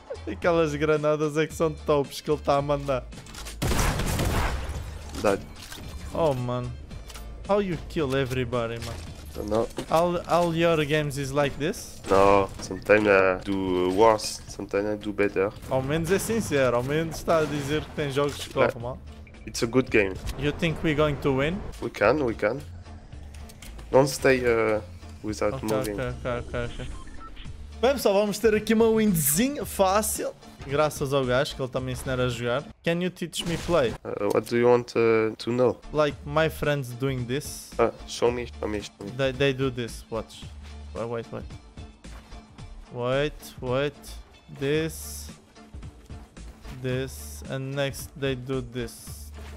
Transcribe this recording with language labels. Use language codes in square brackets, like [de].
[pt] Aquelas granadas é que são tops que ele está a mandar. [en] Dead. Oh man. How you kill everybody, man? All your games is like this? No, sometimes I do worse, sometimes I do better. [pt] Ao menos é sincero, ao menos está a dizer que tem jogos que correm mal. [en] It's a good game. You think we're going to win? We can. Don't stay without moving. Okay. [pt] Bem pessoal, vamos ter aqui uma winzinho fácil. Graças ao gajo que ele está a me ensinar a jogar. [en] Can you teach me play? What do you want to know? Like my friends doing this. Show me. They do this, watch. Wait. This. And next they do this.